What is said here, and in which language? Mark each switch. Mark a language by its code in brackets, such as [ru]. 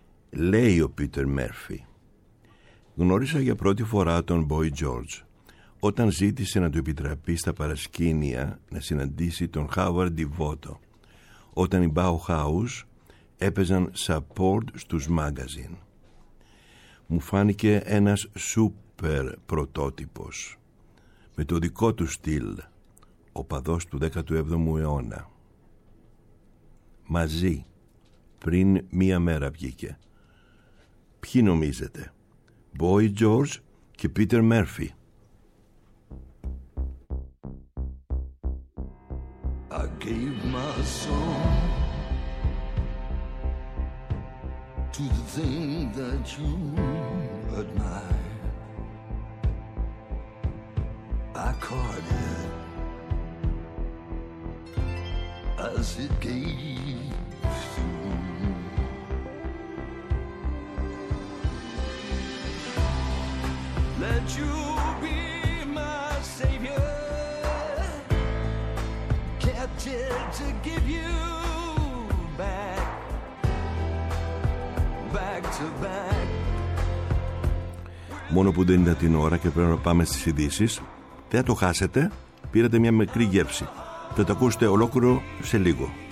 [el] Λέει ο Πίτερ Μέρφι, γνώρισα για πρώτη φορά τον Boy George όταν ζήτησε να του επιτραπεί στα παρασκήνια να συναντήσει τον Howard DeVoto όταν οι Bauhaus έπαιζαν support στους magazine. Μου φάνηκε ένας σούπερ πρωτότυπος με το δικό του στυλ, ο παδός του 17ου αιώνα. Μαζί, πριν μία μέρα βγήκε. Ποιοι νομίζετε, Boy George και Peter Murphy? [en] I gave my soul to the thing that you admire. I caught it as it gave. Let you be my savior, kept it to give you back, back to back. [el] Μόνο που δεν είδα την ώρα και πρέπει να πάμε στις ειδήσεις, δεν το χάσετε, πήρατε μια μικρή γεύση. Θα το ακούσετε ολόκληρο σε λίγο.